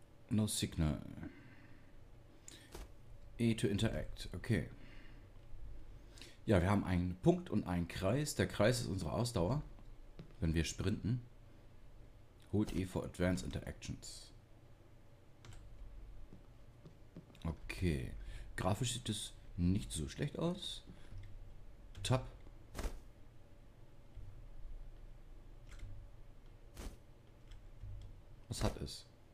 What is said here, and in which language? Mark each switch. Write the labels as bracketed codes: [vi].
[en] No signal. E to interact. Okay. [de] Ja, wir haben einen Punkt und einen Kreis. Der Kreis ist unsere Ausdauer, wenn wir sprinten. [en] Hold E for advanced interactions. Okay. [de] Grafisch sieht es nicht so schlecht aus. Tab. Was hat es?